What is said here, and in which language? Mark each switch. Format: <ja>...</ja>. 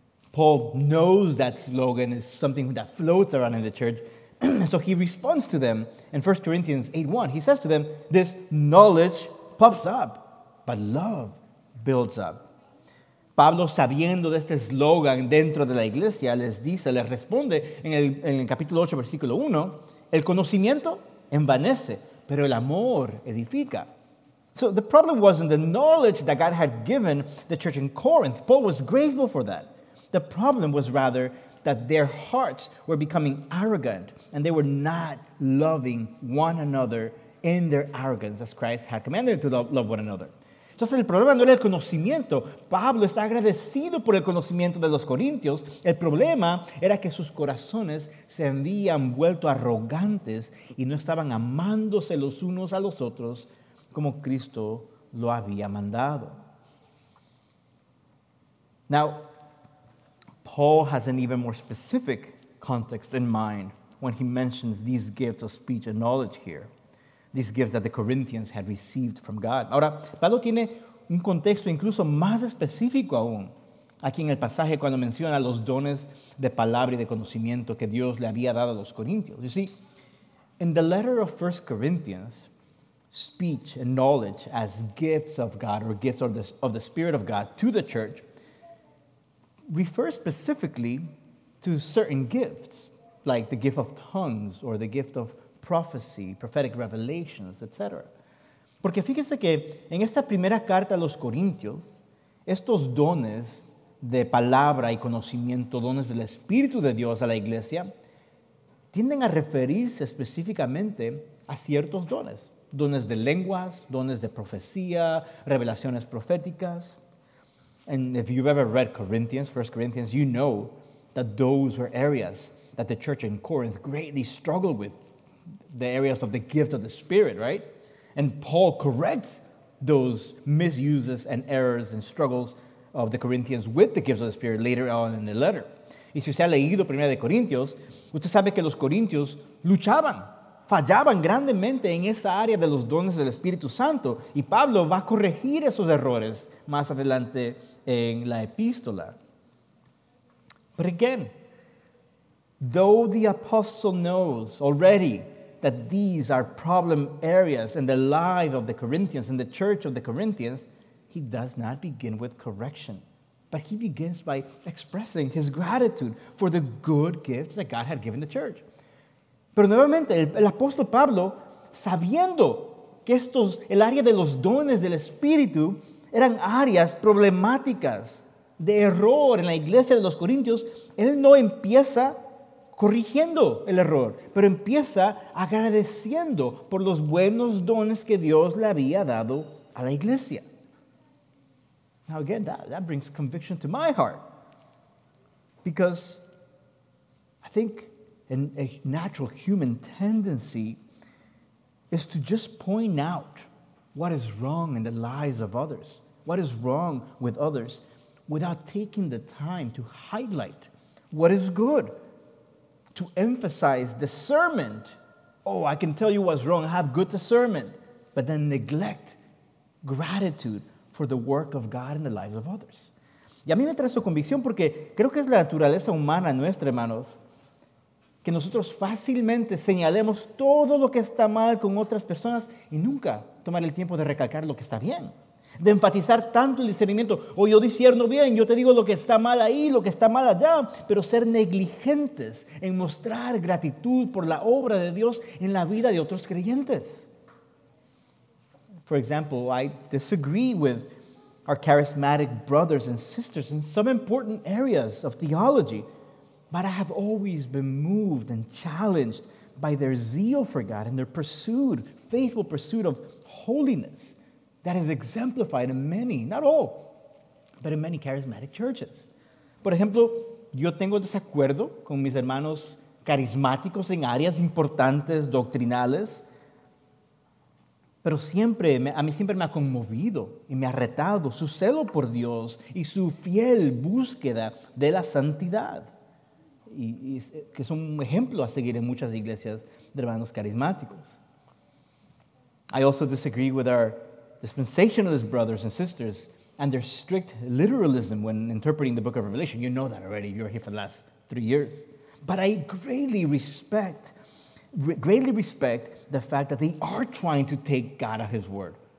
<en>Paul knows that slogan is something that floats around in the church. So he responds to them in 1 Corinthians 8:1. He says to them, this knowledge puffs up, but love builds up.</en> <es>Pablo, sabiendo de este eslogan dentro de la iglesia, les dice, les responde en el capítulo 8, versículo 1, el conocimiento envanece, pero el amor edifica.</es> <en>So the problem wasn't the knowledge that God had given the church in Corinth. Paul was grateful for that. The problem was rather that their hearts were becoming arrogant and they were not loving one another in their arrogance as Christ had commanded to love one another.</en> <es>Entonces el problema no era el conocimiento. Pablo está agradecido por el conocimiento de los corintios. El problema era que sus corazones se habían vuelto arrogantes y no estaban amándose los unos a los otros como Cristo lo había mandado.</es> <en>Now, Paul has an even more specific context in mind when he mentions these gifts of speech and knowledge here, these gifts that the Corinthians had received from God.</en> <es>Ahora, Pablo tiene un contexto incluso más específico aún aquí en el pasaje cuando menciona los dones de palabra y de conocimiento que Dios le había dado a los corintios.</es> <en>You see, in the letter of 1 Corinthians, speech and knowledge as gifts of God or gifts of the Spirit of God to the church refer specifically to certain gifts like the gift of tongues or the gift of prophecy, prophetic revelations, etc.</en> <es>Porque fíjese que en esta primera carta a los corintios, estos dones de palabra y conocimiento, dones del Espíritu de Dios a la iglesia, tienden a referirse específicamente a ciertos dones. Dones de lenguas, dones de profecía, revelaciones proféticas.</es> <en>And if you've ever read Corinthians, 1 Corinthians, you know that those were areas that the church in Corinth greatly struggled with. The areas of the gift of the Spirit, right? And Paul corrects those misuses and errors and struggles of the Corinthians with the gifts of the Spirit later on in the letter.</en> <es>Y si usted ha leído 1 Corintios, usted sabe que los corintios luchaban. Fallaban grandemente en esa área de los dones del Espíritu Santo. Y Pablo va a corregir esos errores más adelante en la epístola.</es> <en>But again, though the apostle knows already that these are problem areas in the life of the Corinthians, in the church of the Corinthians, he does not begin with correction But he begins by expressing his gratitude for the good gifts that God had given the church.</en> <es>Pero nuevamente, el apóstol Pablo, sabiendo que estos, el área de los dones del Espíritu, eran áreas problemáticas de error en la iglesia de los Corintios, él no empieza corrigiendo el error, pero empieza agradeciendo por los buenos dones que Dios le había dado a la iglesia.</es> <en>Now again, that brings conviction to my heart. Because I think a natural human tendency is to just point out what is wrong in the lives of others, what is wrong with others, without taking the time to highlight what is good, to emphasize discernment. Oh, I can tell you what's wrong. I have good discernment. But then neglect gratitude for the work of God in the lives of others.</en> <es>Y a mí me trae su convicción porque creo que es la naturaleza humana nuestra, hermanos, que nosotros fácilmente señalemos todo lo que está mal con otras personas y nunca tomar el tiempo de recalcar lo que está bien. De enfatizar tanto el discernimiento. O yo discierno bien, yo te digo lo que está mal ahí, lo que está mal allá. Pero ser negligentes en mostrar gratitud por la obra de Dios en la vida de otros creyentes.</es> <en>For example, I disagree with our charismatic brothers and sisters in some important areas of theology. But I have always been moved and challenged by their zeal for God and their pursued, faithful pursuit of holiness. That is exemplified in many, not all, but in many charismatic churches.</en> <es>Por ejemplo, yo tengo desacuerdo con mis hermanos carismáticos en áreas importantes, doctrinales, pero siempre, a mí siempre me ha conmovido y me ha retado su celo por Dios y su fiel búsqueda de la santidad, y que es un ejemplo a seguir en muchas iglesias de hermanos carismáticos.</es> <en>I also disagree with our dispensationalist brothers and sisters and their strict literalism when interpreting the book of Revelation. You know that already if you're here for the last 3 years. But I greatly respect the fact that they are trying to take God at his word.</en>